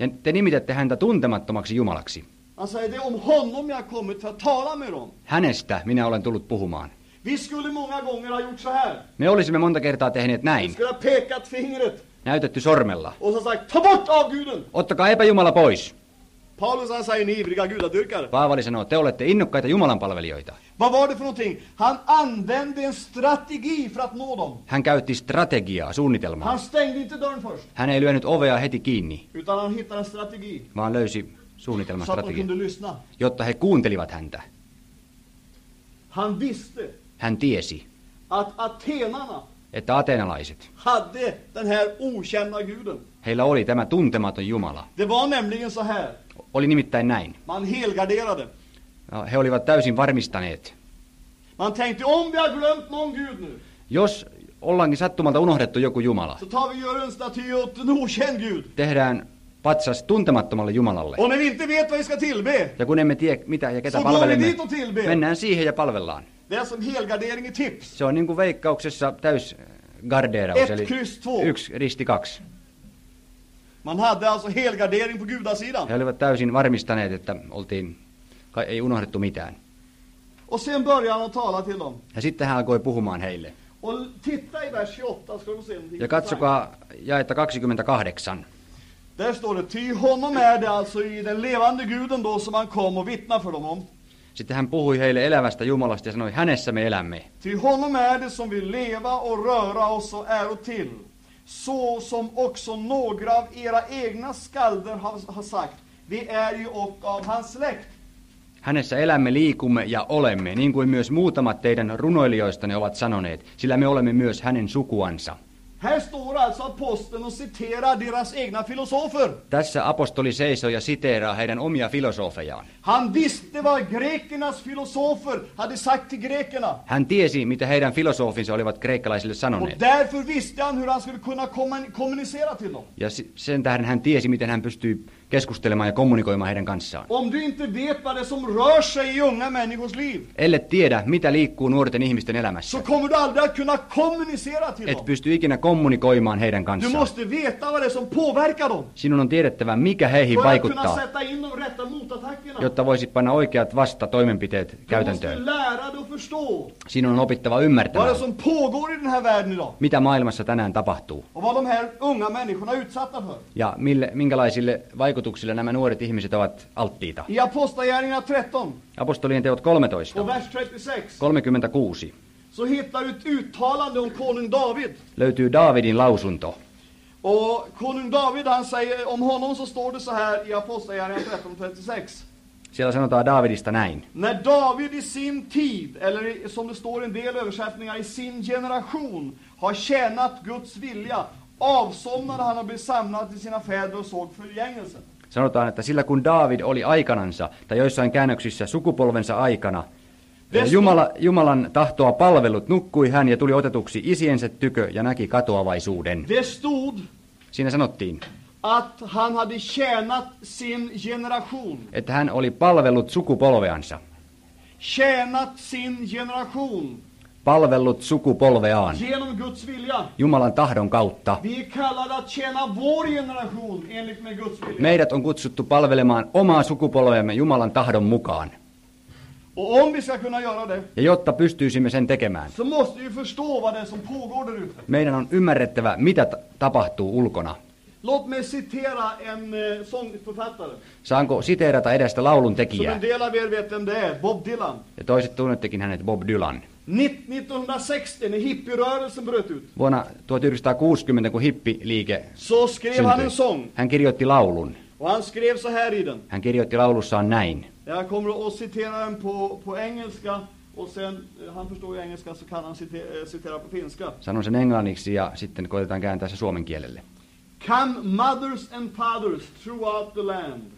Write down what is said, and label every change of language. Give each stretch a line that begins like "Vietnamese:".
Finnish: Ja te nimitätte häntä tuntemattomaksi jumalaksi.
Swedish: Han säger, det är om honom jag kommit för att tala med dem.
Finnish: Hänestä minä olen tullut puhumaan.
Swedish: Vi skulle många gånger ha gjort så här.
Finnish: Me olisimme monta kertaa tehneet näin.
Swedish: Vi skulle ha pekat fingret.
Finnish: Näytetty sormella.
Swedish: Och så sagt, ta bort avguden.
Finnish: Ottakaa epäjumala pois.
Swedish: Paulus han säger ni ivriga gudadyrkare.
Finnish: Paavali sanoo, te olette innokkaita Jumalan palvelijoita.
Swedish: Vad var det för någonting? Han använde en strategi för att nå dem.
Finnish: Hän käytti strategiaa, suunnitelmaa.
Swedish: Han stängde inte dörren först.
Finnish: Hän ei lyönyt ovea heti kiinni.
Swedish: Utan han hittade en strategi.
Finnish: Vaan löysi suunnitelman strategian.
Swedish: Så att de kunde lyssna.
Finnish: Jotta he kuuntelivat häntä.
Swedish: Han visste.
Finnish: Hän tiesi.
Swedish: Att atenarna.
Finnish: Että ateenalaiset.
Swedish: Hade den här okända guden.
Finnish: Heillä oli tämä tuntematon Jumala.
Swedish: Det var nämligen så här.
Finnish: Oli nimittäin näin.
Swedish: Man helgarderade.
Finnish: He olivat täysin varmistaneet.
Swedish: Man tänkte, om vi har glömt någon gud nu.
Finnish: Jos ollaankin sattumalta unohdettu joku Jumala.
Swedish: Så tar vi göra en staty åt en okänd gud.
Finnish: Tehdään patsas tuntemattomalle Jumalalle.
Swedish: Och när vi inte vet vad vi ska tillbe.
Finnish: Ja kun emme tiedä mitä ja ketä
Swedish: så
Finnish: palvelemme.
Swedish: Så går vi dit och tillbe.
Finnish: Mennään siihen ja palvellaan.
Swedish: Det är som helgardering i tips.
Finnish: Se on niin kuin veikkauksessa täys gardeeraus.
Swedish: Ett kryss två.
Finnish: Yksi risti kaksi.
Swedish: Man hade alltså helgardering på gudasidan.
Finnish: He olivat täysin varmistaneet, että oltiin, ei unohdettu mitään.
Swedish: Och sen började han tala till dem.
Finnish: Ja sitten hän alkoi puhumaan heille.
Swedish: Och titta i vers 28, ska du se.
Finnish: Ja katsokaa jaetta 28.
Swedish: Där står det, ty honom är det alltså i den levande guden då som han kom och vittna för dem om.
Finnish: Sitten hän puhui heille elävästä Jumalasta ja sanoi, hänessä me elämme.
Swedish: Ty honom är det som vill leva och röra oss och är och till. Så som också några av era egna skalder har sagt. Vi är ju också av hans släkt.
Finnish: Hänessä elämme, liikumme ja olemme, niin kuin myös muutamat teidän runoilijoistanne ovat sanoneet, sillä me olemme myös hänen sukuansa.
Swedish: Här står alltså aposteln och citerar deras egna filosofer.
Finnish: Tässä apostoli seisoo ja siteeraa heidän omia filosofejaan.
Swedish: Han visste vad grekernas filosofer hade sagt till grekerna.
Finnish: Hän tiesi, mitä heidän filosofinsa olivat kreikkalaisille sanoneet.
Swedish: Och därför visste han hur han skulle kunna kommunicera till dem.
Finnish: Ja sen tähden hän tiesi, miten hän pystyy keskustelemaan ja kommunikoimaan heidän kanssaan.
Swedish: Om du inte vet vad det som rör sig i unga människors liv.
Finnish: Ellet tiedä, mitä liikkuu nuorten ihmisten elämässä.
Swedish: Så kommer du aldrig att kunna kommunicera till dem.
Finnish: Et pysty ikinä kommunikoimaan heidän kanssaan.
Swedish: Du måste veta vad det som påverkar dem.
Finnish: Sinun on tiedettävä, mikä heihin vaikuttaa.
Swedish: För att kunna sätta in de rätta motattackerna.
Finnish: Jotta voisit panna oikeat vastatoimenpiteet käytäntöön.
Swedish: Du måste lära dig att förstå.
Finnish: Sinun on opittava ymmärtämään.
Swedish: Vad det som pågår i den här världen idag.
Finnish: Mitä maailmassa tänään tapahtuu.
Swedish: Och vad de här unga människorna utsatta för.
Finnish: Ja minkälaisille vaikutuksille nämä nuoret ihmiset ovat alttiita.
Swedish: I apostolien 13.
Finnish: Apostolien teot 13.
Swedish: Vers 36.
Finnish: 36.
Swedish: Så hittar du ett uttalande om konung David.
Finnish: Löytyy Davidin lausunto.
Swedish: Och konung David, han säger om honom, så står det så här i apostolien 13:36.
Finnish: Siellä sanotaan Davidista näin.
Swedish: När David i sin tid, eller som det står en del översättningar, i sin generation har tjänat Guds vilja, avsomnade han och blev samlad till sina fäder och såg förgängelsen.
Finnish: Sanotaan, että sillä kun David oli aikanansa, tai joissain käännöksissä sukupolvensa aikana, Jumalan tahtoa palvellut, nukkui hän ja tuli otetuksi isiensä tykö ja näki katoavaisuuden.
Swedish: Det stod,
Finnish: siinä sanottiin,
Swedish: att han hade tjänat sin generation.
Finnish: Että hän oli palvellut sukupolveansa.
Swedish: Tjänat sin generation.
Finnish: Palvellut sukupolveaan.
Swedish: Genom Guds vilja.
Finnish: Jumalan tahdon kautta.
Swedish: Vi är kallade att tjäna vår generation enligt med Guds vilja.
Finnish: Meidät on kutsuttu palvelemaan omaa sukupolveamme Jumalan tahdon mukaan.
Swedish: Och om vi ska kunna göra det.
Finnish: Ja jotta pystyisimme sen tekemään.
Swedish: Så måste vi förstå vad det som pågår där ute.
Finnish: Meidän on ymmärrettävä, mitä tapahtuu ulkona.
Swedish: Låt mig citera en sångförfattare.
Finnish: Saanko siteerata edestä laulun tekijää?
Swedish: Som en del av er vet vem det är, Bob Dylan.
Finnish: Ja toiset tunnettekin hänet Bob Dylan.
Swedish: 1960 när hippirörelsen bröt ut.
Finnish: Vuonna 1960 kun hippiliike syntyi.
Swedish: Han en sång.
Finnish: Hän kirjoitti laulun.
Swedish: Och han skrev så här i den.
Finnish: Hän kirjoitti laulussaan näin.
Swedish: Jag kommer att citera den på engelska och sen han förstår ju engelska så kan han citera på finska.
Finnish: Sanon sen englanniksi ja sitten koitetaan kääntää se suomen kielelle.
English: Come mothers and fathers throughout the land.